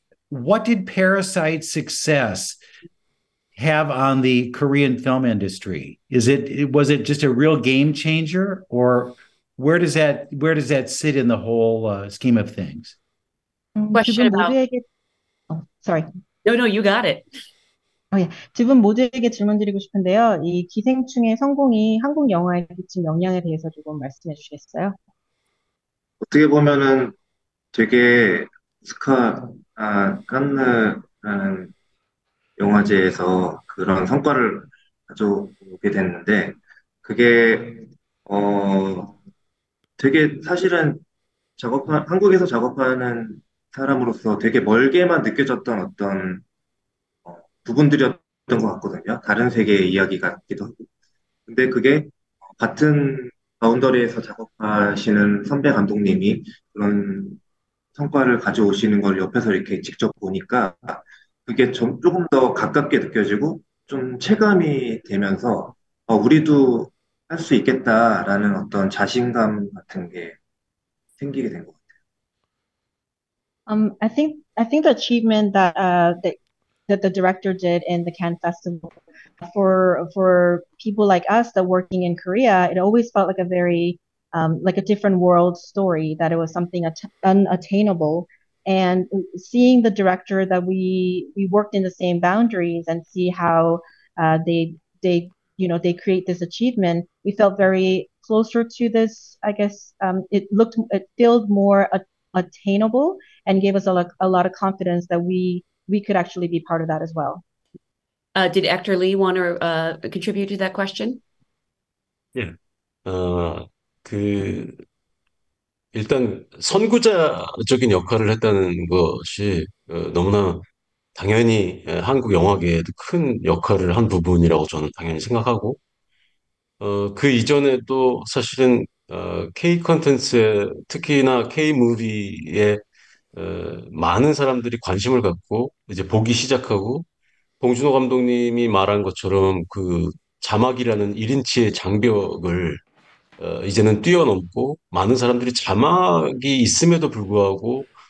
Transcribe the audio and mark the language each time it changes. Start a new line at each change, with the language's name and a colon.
English: What did Parasite's success have on the Korean film industry? Was it just a real game changer, or where does that sit in the whole scheme of things? Question about.
Korean: 분 모두에게
English: sorry. No, you got it.
Korean: 두분 모두에게 질문드리고 싶은데요. 이 기생충의 성공이 한국 영화에 미친 영향에 대해서 조금 말씀해 주시겠어요? 어떻게 보면은 되게 오스카, 칸느라는 영화제에서 그런 성과를 가져오게 됐는데, 그게, 되게 사실은 한국에서 작업하는 사람으로서 되게 멀게만 느껴졌던 어떤 부분들이었던 것 같거든요. 다른 세계의 이야기 같기도 하고. 근데 그게 같은 바운더리에서 작업하시는 선배 감독님이 그런 성과를 가져오시는 걸 옆에서 이렇게 직접 보니까 그게 좀 조금 더 가깝게 느껴지고 좀 체감이 되면서 우리도 할수 있겠다라는 어떤 자신감 같은 게 생기게 된것 같아요.
English: I think the achievement that that the director did in the Cannes Festival for people like us that working in Korea, it always felt like a very like a different world story, that it was something unattainable. And seeing the director that we worked in the same boundaries and see how they create this achievement, we felt very closer to this, I guess. It felt more attainable and gave us a lot of confidence that we could actually be part of that as well. Did actor Lee want to contribute to that question? Yeah.
Korean: 일단 선구자적인 역할을 했다는 것이 너무나 당연히 한국 영화계에도 큰 역할을 한 부분이라고 저는 당연히 생각하고, 그 이전에도 사실은 K 콘텐츠에, 특히나 K 무비에 많은 사람들이 관심을 갖고 이제 보기 시작하고, 봉준호 감독님이 말한 것처럼 그 자막이라는 1인치의 장벽을 이제는 뛰어넘고, 많은 사람들이 자막이 있음에도 불구하고